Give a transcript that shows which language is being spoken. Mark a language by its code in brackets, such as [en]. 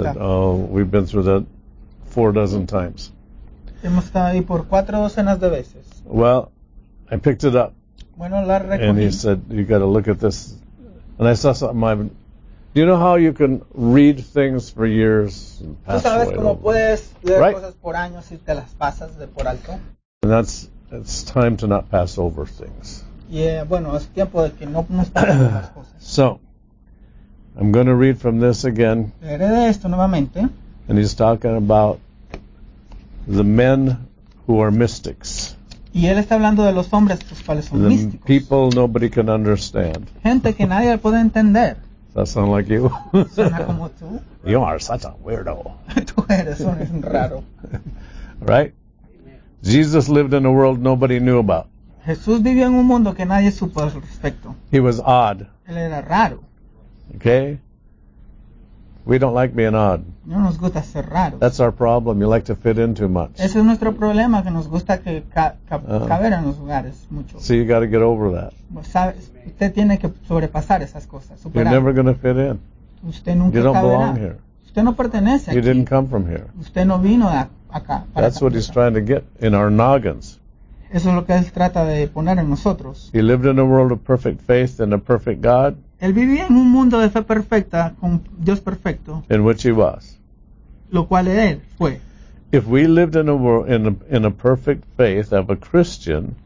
[en] I said, oh, we've been through that 4 dozen times. [es] Hemos estado ahí por 4 docenas de veces. [en] Well, I picked it up. [es] Bueno, la recogí. [en] And he said, you got to look at this. And I saw something. Do you know how you can read things for years and pass [es] ¿Tú sabes [en] right [es] cómo [en] over? [es] Puedes leer [en] right? [es] cosas por años y te las pasas de por alto? [en] And that's, it's time to not pass over things. Yeah, [es] bueno, es tiempo de que no nos pasen las cosas. [en] So, I'm going to read from this again. [es] Leeré de esto nuevamente. [en] And he's talking about the men who are mystics. [es] Y él está hablando de los hombres, los cuales son [en] the [es] místicos. [en] People nobody can understand. [es] Gente que nadie puede entender. [en] Does that sound like you? [es] Suena como tú. [en] You are such a weirdo. [es] Tú eres un raro. [en] Right? Jesus lived in a world nobody knew about. [es] Jesús vivía en un mundo que nadie supo al respecto. [en] He was odd. [es] Él era raro. [en] Okay? We don't like being odd. [es] No nos gusta ser raros. [en] That's our problem. You like to fit in too much. [es] Ese es nuestro problema, que nos gusta que caber en los lugares mucho. [en] So you got to get over that. [es] Usted tiene que sobrepasar esas cosas, superar. [en] You're never going to fit in. [es] Usted nunca [en] you don't belong here. [es] Usted no pertenece aquí. [en] You didn't come from here. [es] Usted no vino de acá. [en] That's what he's trying to get in our noggins. [es] Eso es lo que él trata de poner en nosotros. [en] He lived in a world of perfect faith and a perfect God. [es] Él vivía en un mundo de fe perfecta con Dios perfecto. [en] In which he was. [es] Lo cual él fue. [en] If we lived in a world in a perfect faith of a Christian.